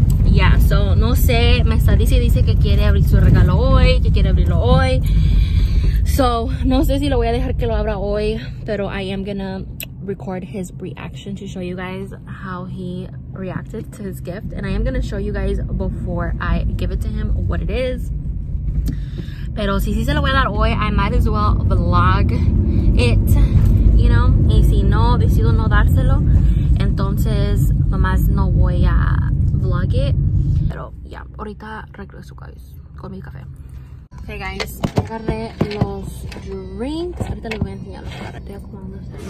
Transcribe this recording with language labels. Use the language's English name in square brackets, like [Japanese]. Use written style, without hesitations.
[English] Yeah, so [Spanish] no sé. Me está dice que quiere abrir su regalo hoy, que quiere abrirlo hoy. So no sé si lo voy a dejar que lo abra hoy, pero [English] I am gonna record his reaction to show you guys how he reacted to his gift, and I am gonna show you guys before I give it to him what it is. [Spanish] Pero si se lo voy a dar hoy, [English] I might as well vlog it, you know. [Spanish] Y si no decido no dárselo, entonces nomás no voy a [English] vlog it. [Spanish] Pero ya, ahorita regreso, guys, con mi café. [English] Okay guys, [Spanish] agarré los drinks. Ahorita les voy a enseñar los que estoy acomodando.